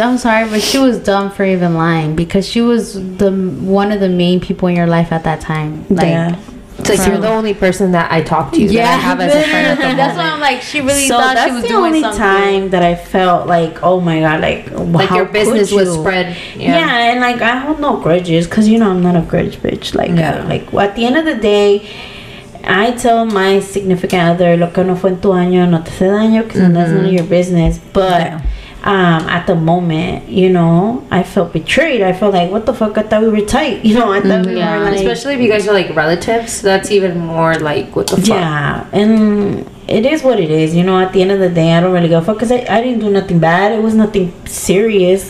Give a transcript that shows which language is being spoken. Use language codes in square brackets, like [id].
[en] I'm sorry, but she was dumb for even lying. Because she was one of the main people in your life at that time. Like, it's like, you're the only person that I talk to that I have as a friend at the moment. That's why I'm like, she really thought she was doing something. So that's the only time that I felt like, oh my God, like, how could you? Your business was spread. Yeah, and like, I hold no grudges because, you know, I'm not a grudge bitch. Like, like, at the end of the day, I tell my significant other, [es] lo que no fue en tu año, no te hace daño, [en] because that's none of your business. But... at the moment, you know, I felt betrayed. I felt like, what the fuck? I thought we were tight. You know, I thought we were like... Especially if you guys are, like, relatives. That's even more, like, what the fuck? Yeah. And it is what it is. You know, at the end of the day, I don't really give a fuck. Because I didn't do nothing bad. It was nothing serious.